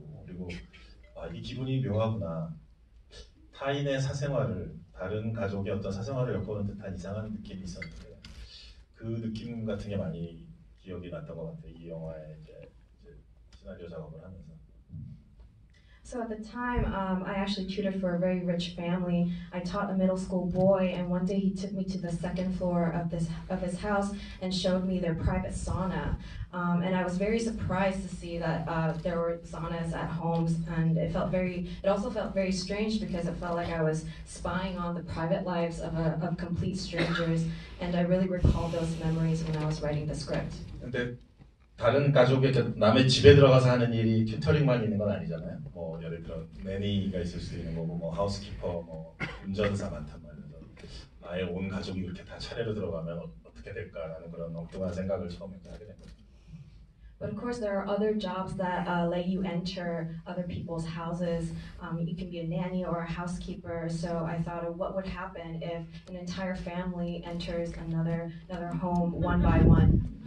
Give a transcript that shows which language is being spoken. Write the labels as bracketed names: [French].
[Korean] 그리고 아, 이 기분이 묘하구나. 타인의 사생활을 다른 가족의 어떤 사생활을 엮어놓은 듯한 이상한 느낌이 있었는데 그 느낌 같은 게 많이 기억이 났던 것 같아요. 이 영화의 이제 시나리오 작업을 하면서. [English] So at the time, I actually tutored for a very rich family. I taught a middle school boy, and one day he took me to the second floor of his house and showed me their private sauna. And I was very surprised to see that there were saunas at homes, and it also felt very strange because it felt like I was spying on the private lives of complete strangers. And I really recall those memories when I was writing the script. [Korean] 다른 가족의 남의 집에 들어가서 하는 일이 튜터링만 있는 건 아니잖아요. 뭐 예를 들어 매니가 있을 수도 있는 거고, 뭐 하우스키퍼, 뭐 운전사 많단 말이죠. 아예 온 가족이 이렇게 다 차례로 들어가면 어떻게 될까라는 그런 엉뚱한 생각을 처음에 하게 된 거죠. [English] But of course, there are other jobs that let you enter other people's houses. You can be a nanny or a housekeeper. So I thought, of what would happen if an entire family enters another home one by one?